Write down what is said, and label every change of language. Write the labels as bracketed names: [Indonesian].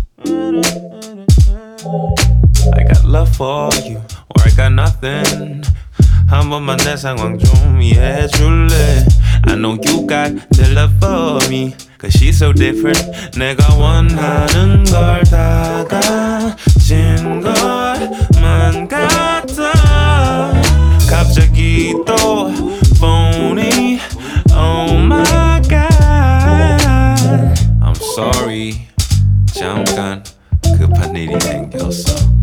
[English] I got love for you, or I got nothing. [Korean] 한 번만 내 상황 좀 이해해 줄래? [English] I know you got the love for me, 'cause she's so different. [Korean] 내가 원하는 걸 다 가진 것만 같아. 갑자기 또 phone이 [English] Oh my god. I'm sorry [Korean] 잠깐 급한 일이 생겼어.